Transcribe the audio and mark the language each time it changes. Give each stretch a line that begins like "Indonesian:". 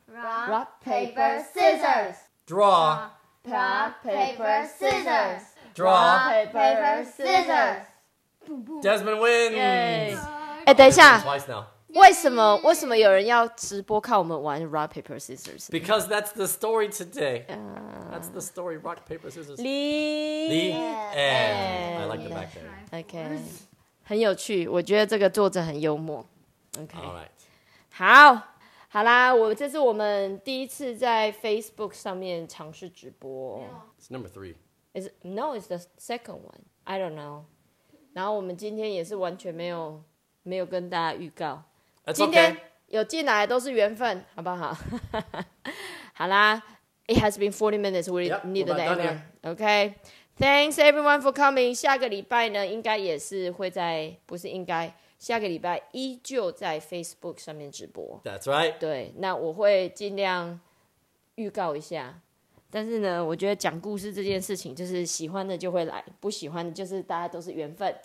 English: Rock, paper, scissors. Draw. Rock, paper, scissors. Draw. Rock, paper, scissors. Desmond wins. Yay.
Chinese: 哎，等一下。
English: Twice now.
Chinese: 为什么有人要直播看我们玩
English: Rock Paper Scissors? Because that's the story today. That's the story. Rock Paper Scissors. The end. I like the back there. Okay.
Chinese: 很有趣，我觉得这个作者很幽默。
English: Okay. All right.
Chinese: 好啦，这是我们第一次在 Facebook 上面尝试直播。
English: It's number three. It's the second one. I don't know.
Chinese: 然后我们今天也是完全没有跟大家预告。
English: That's、
Chinese: 今天有进来都是缘分，好不好？好啦
English: ，It has been 40 minutes. We need an hour. Okay, thanks everyone for coming.
Chinese: 下个礼拜呢，应该也是会在，不是应该，下个礼拜依旧在 Facebook 上面直播。
English: That's right.
Chinese: 对，那我会尽量预告一下。但是呢，我觉得讲故事这件事情，就是喜欢的就会来，不喜欢的就是大家都是缘分，